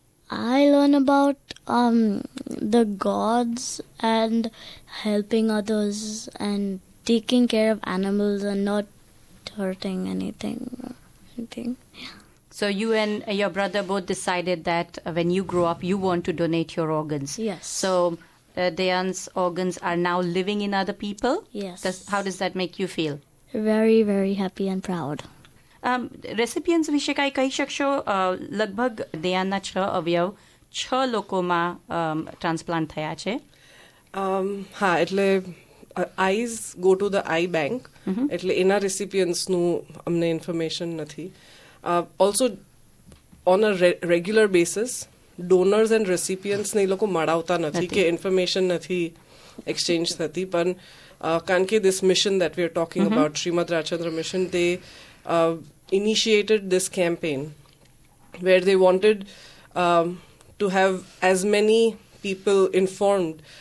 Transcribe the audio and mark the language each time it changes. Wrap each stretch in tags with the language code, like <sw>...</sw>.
<en>I learn about the gods and helping others and taking care of animals and not hurting anything. Yeah. So you and your brother both decided that when you grow up, you want to donate your organs. Yes. So Dayan's organs are now living in other people. Yes. How does that make you feel? Very, very happy and proud.</en> <gu>Recipients વિશે કઈ કહી શકશો? લગભગ દયાનના છ અવયવ છ લોકોમાં transplant થયા છે. હા, એટલે</gu> <en>eyes go to the eye bank,</en> <gu>એટલે એના રેસિપિયન્ટ્સનું અમને ઇન્ફોર્મેશન નથી.</gu> <en>Also, on a regular basis, donors and recipients</en> <gu>ne loko madavta nathi ke information nathi exchange thati,</gu> <en>but kan ke this mission that we are talking about, Srimad Rajchandra mission, they initiated this campaign where they wanted to have as many people informed.</en>